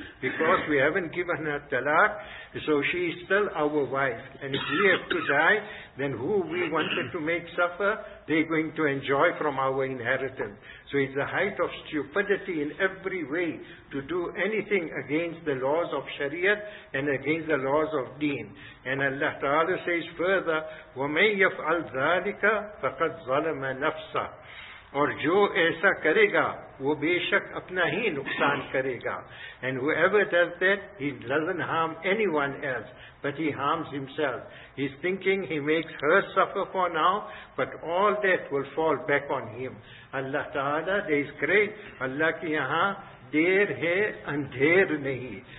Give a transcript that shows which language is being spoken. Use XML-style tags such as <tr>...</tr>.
<en>Because we haven't given her talaq, so she is still our wife. And if we have to die, then who we wanted to make suffer, they're going to enjoy from our inheritance. So it's the height of stupidity in every way to do anything against the laws of Sharia and against the laws of deen. And Allah Ta'ala says further,</en> <ar>وَمَنْ يَفْعَلْ ذَلِكَ فَقَدْ ظَلَمَ نَفْسَهُ</ar> <ur>اور جو ایسا کرے گا وہ بے شک اپنا ہی نقصان کرے گا.</ur> <en>And whoever does that, he doesn't harm anyone else, but he harms himself. He's thinking he makes her suffer for now, but all that will fall back on him. Allah Ta'ala, there is great,</en> <ur>Allah ki yahaan, deer hai and deer nahi.</ur>